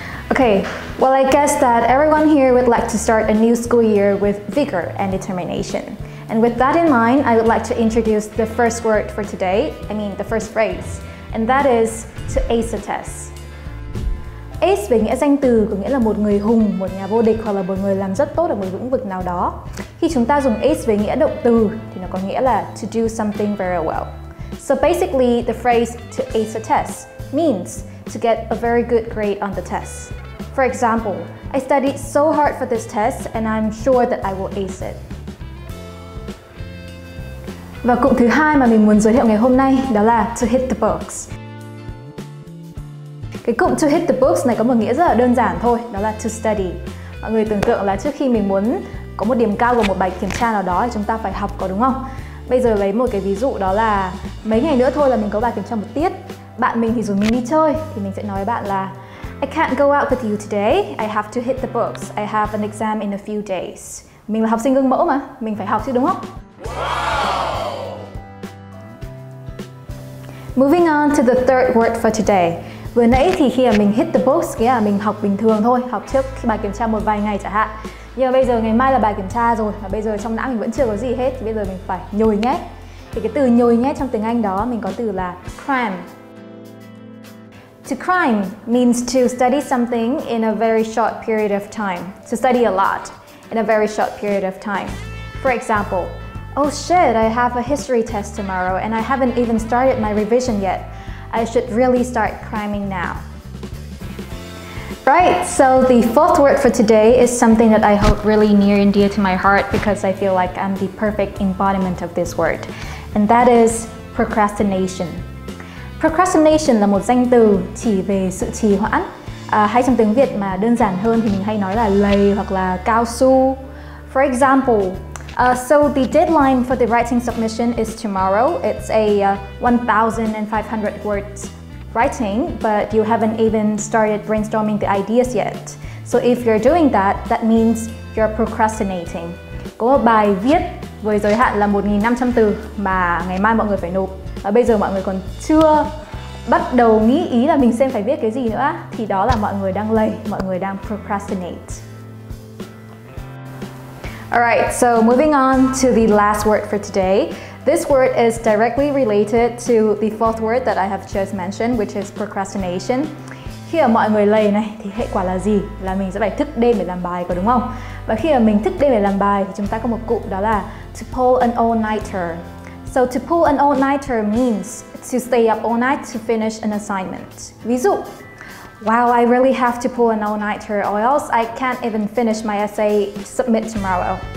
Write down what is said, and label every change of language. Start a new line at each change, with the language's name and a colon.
English: Okay, well I guess that everyone here would like to start a new school year with vigor and determination. And with that in mind, I would like to introduce the first word for today, I mean the first phrase, and that is to ace a test.
Vietnamese: Ace về nghĩa danh từ có nghĩa là một người hùng, một nhà vô địch hoặc là một người làm rất tốt ở một lĩnh vực nào đó. Khi chúng ta dùng ace về nghĩa động từ thì nó có nghĩa là
English: to do something very well. So basically, the phrase to ace a test means to get a very good grade on the test. For example, I studied so hard for this test and I'm sure that I will ace it.
Vietnamese: Và cụm thứ hai mà mình muốn giới thiệu ngày hôm nay đó là to hit the books. Cái cụm to hit the books này có một nghĩa rất là đơn giản thôi, đó là to study. Mọi người tưởng tượng là trước khi mình muốn có một điểm cao của một bài kiểm tra nào đó thì chúng ta phải học, có đúng không? Bây giờ lấy một cái ví dụ đó là mấy ngày nữa thôi là mình có bài kiểm tra một tiết. Bạn mình thì rủ mình đi chơi thì mình sẽ nói với bạn là
English: I can't go out with you today, I have to hit the books.
Vietnamese: I have an exam in a few days. Mình là học sinh gương mẫu mà, mình phải học chứ đúng không?
English: Wow. Moving on to the third word for today.
Vietnamese: Vừa nãy thì khi mà mình hit the books, nghĩa là mình học bình thường thôi, học trước bài kiểm tra một vài ngày chẳng hạn. Nhưng mà bây giờ ngày mai là bài kiểm tra rồi, và bây giờ trong não mình vẫn chưa có gì hết, thì bây giờ mình phải nhồi nhét. Thì cái từ nhồi nhét trong tiếng Anh đó, mình có từ là cram.
English: To cram means to study something in a very short period of time. To study a lot in a very short period of time. For example, oh shit, I have a history test tomorrow and I haven't even started my revision yet. I should really start cramming now. Right, so the fourth word for today is something that I hold really near and dear to my heart because I feel like I'm the perfect embodiment of this word. And that is procrastination.
Vietnamese: Procrastination là một danh từ chỉ về sự trì hoãn. Hay trong tiếng Việt mà đơn giản hơn thì mình hay nói là lầy hoặc là cao su.
English: For example, so the deadline for the writing submission is tomorrow. It's a 1,500 words writing, but you haven't even started brainstorming the ideas yet. So if you're doing that, that means you're procrastinating.
Vietnamese: Có một bài viết với giới hạn là 1,500 từ mà ngày mai mọi người phải nộp. Và bây giờ mọi người còn chưa bắt đầu nghĩ ý là mình xem phải viết cái gì nữa. Thì đó là mọi người đang lầy, mọi người đang procrastinate.
English: Alright, so moving on to the last word for today. This word is directly related to the fourth word that I have just mentioned, which is procrastination.
Vietnamese: Khi mà mọi người lầy này, thì hệ quả là gì? Là mình sẽ phải thức đêm để làm bài, có đúng không? Và khi mà mình thức đêm để làm bài, thì chúng ta có một cụm đó là to pull an all-nighter.
English: So to pull an all-nighter means to stay up all night to finish an assignment.
Vietnamese: Ví dụ,
English: wow, I really have to pull an all-nighter or else I can't even finish my essay submit tomorrow.